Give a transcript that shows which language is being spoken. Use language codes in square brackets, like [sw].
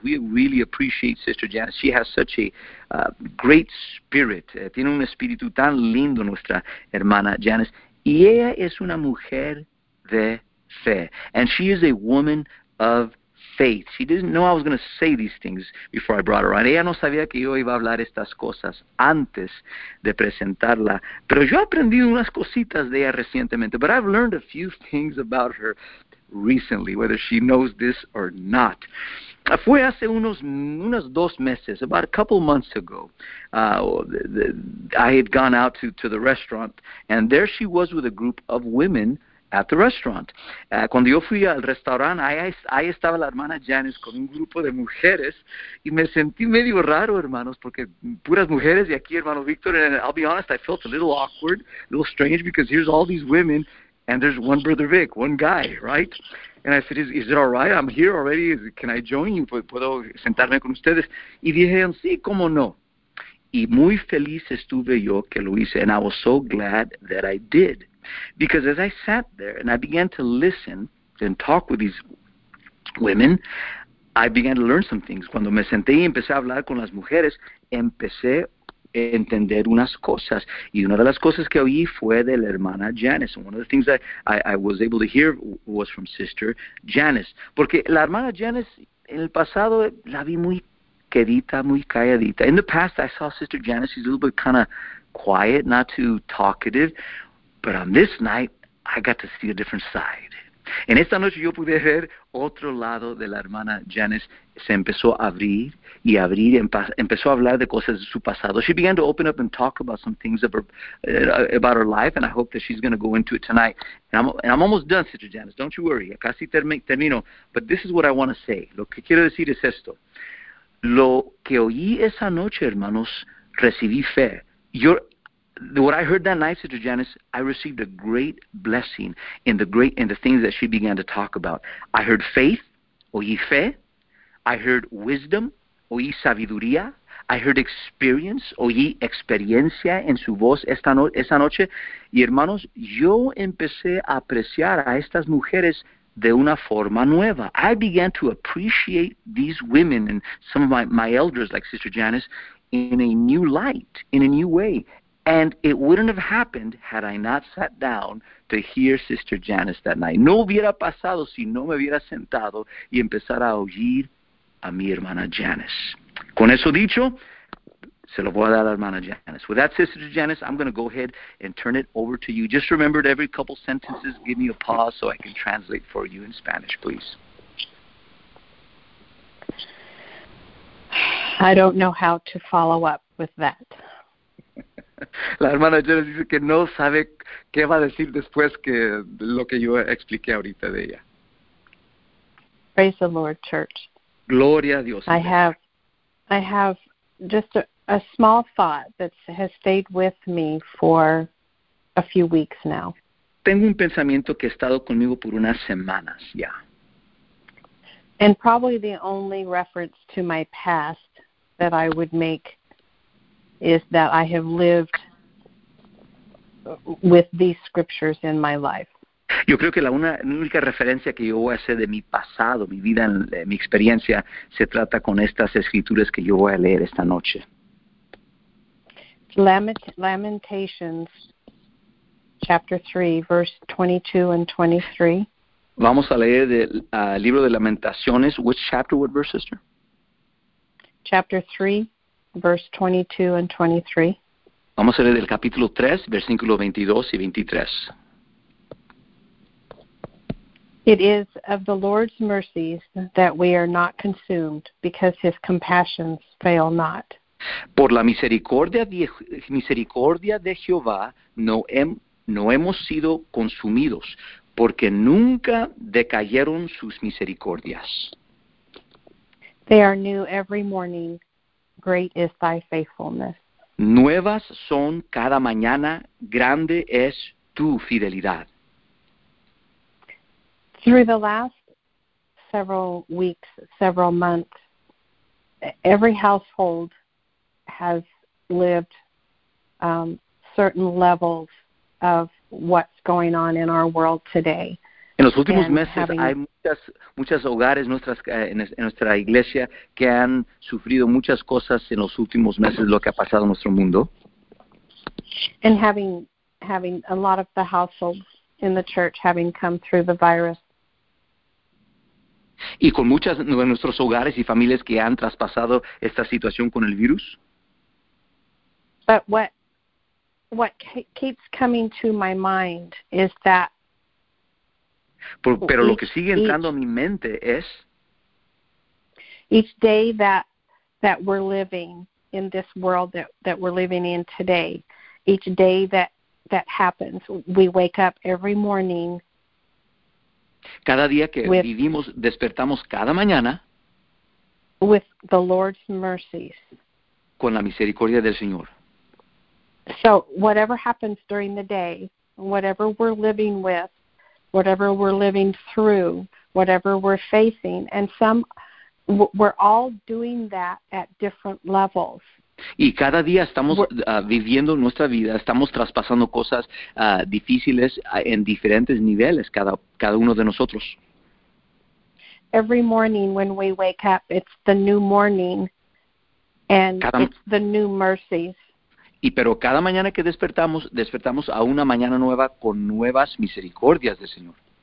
[en] We really appreciate Sister Janice. She has such a great spirit. [es] Tiene un espíritu tan lindo nuestra hermana Janice. Y ella es una mujer de fe. [en] And she is a woman of faith. She didn't know I was going to say these things before I brought her on. [es] Ella no sabía que yo iba a hablar estas cosas antes de presentarla. Pero yo aprendí unas cositas de ella recientemente. [en] But I've learned a few things about her recently, whether she knows this or not. [es] Fue hace unos dos meses, [en] about a couple months ago, I had gone out to the restaurant, and there she was with a group of women at the restaurant. [es] Cuando yo fui al restaurante, ahí estaba la hermana Janice con un grupo de mujeres, y me sentí medio raro, hermanos, porque puras mujeres, y aquí, hermano Víctor, [en] and I'll be honest, I felt a little awkward, a little strange, because here's all these women, and there's one Brother Vic, one guy, right? And I said, is it all right? I'm here already. Can I join you? [es] ¿Puedo sentarme con ustedes? Y dijeron, sí, cómo no. Y muy feliz estuve yo que lo hice, [en] and I was so glad that I did. Because as I sat there and I began to listen and talk with these women, I began to learn some things. [es] Cuando me senté y empecé a hablar con las mujeres, empecé a entender unas cosas. Y una de las cosas que oí fue de la hermana Janice. [en] One of the things that I was able to hear was from Sister Janice. [es] Porque la hermana Janice, en el pasado, la vi muy quedita, muy calladita. [en] In the past, I saw Sister Janice. She's a little bit kind of quiet, not too talkative. But on this night, I got to see a different side. [es] En esta noche yo pude ver otro lado de la hermana Janice. Se empezó a abrir y abrir, empezó a hablar de cosas de su pasado. [en] She began to open up and talk about some things about her life, and I hope that she's going to go into it tonight. And I'm almost done, Sister Janice. Don't you worry. [es] Casi termino. [en] But this is what I want to say. [es] Lo que quiero decir es esto. Lo que oí esa noche, hermanos, recibí fe. [en] What I heard that night, Sister Janice, I received a great blessing in the things that she began to talk about. I heard faith, [es] oí fe. [en] I heard wisdom, [es] oí sabiduría. [en] I heard experience, [es] oí experiencia en su voz esa noche. Y hermanos, yo empecé a apreciar a estas mujeres de una forma nueva. [en] I began to appreciate these women and some of my elders, like Sister Janice, in a new light, in a new way. And it wouldn't have happened had I not sat down to hear Sister Janice that night. [es] No hubiera pasado si no me hubiera sentado y empezar a oír a mi hermana Janice. Con eso dicho, se lo voy a dar a la hermana Janice. [en] With that, Sister Janice, I'm going to go ahead and turn it over to you. Just remember, to every couple sentences, give me a pause so I can translate for you in Spanish, please. I don't know how to follow up with that. [es] La hermana Janice dice que no sabe qué va a decir después que lo que yo expliqué ahorita de ella. [en] Praise the Lord, church. [es] Gloria a Dios. [en] I have just a small thought that has stayed with me for a few weeks now. [es] Tengo un pensamiento que ha estado conmigo por unas semanas ya. [en] And probably the only reference to my past that I would make is that I have lived with these scriptures in my life. [es] Yo creo que la única referencia que yo voy a hacer de mi pasado, mi vida, mi experiencia, se trata con estas escrituras que yo voy a leer esta noche. [en] Lamentations, chapter 3, verse 22 and 23. [es] Vamos a leer del libro de Lamentaciones. [en] Which chapter, what verse, sister? Chapter 3, verse 22 and 23. [es] Vamos a leer del capítulo 3, versículos 22 y 23. [en] It is of the Lord's mercies that we are not consumed, because his compassions fail not. [es] Por la misericordia de Jehová no hemos sido consumidos, porque nunca decayeron sus misericordias. [en] They are new every morning. Great is thy faithfulness. [es] Nuevas son cada mañana. Grande es tu fidelidad. [en] Through the last several weeks, several months, every household has lived certain levels of what's going on in our world today. [es] En los últimos meses hay muchas hogares en nuestra iglesia que han sufrido muchas cosas en los últimos meses, lo que ha pasado en nuestro mundo. [en] And having a lot of the households in the church having come through the virus. [es] Y con muchas de nuestros hogares y familias que han traspasado esta situación con el virus. [en] But what keeps coming to my mind is that. [es] Pero lo que sigue entrando a mi mente es. [en] Each day that we're living in this world that we're living in today, each day that happens, we wake up every morning. [es] Cada día que vivimos, despertamos cada mañana. [en] With the Lord's mercies. [es] Con la misericordia del Señor. [en] So whatever happens during the day, whatever we're living with, whatever we're living through, whatever we're facing, and we're all doing that at different levels. [es] Y cada día estamos viviendo nuestra vida, estamos traspasando cosas difíciles en diferentes niveles, cada uno de nosotros. [en] Every morning when we wake up, it's the new morning, and it's the new mercies. [es] Pero cada mañana que despertamos a una mañana nueva con nuevas misericordias del Señor.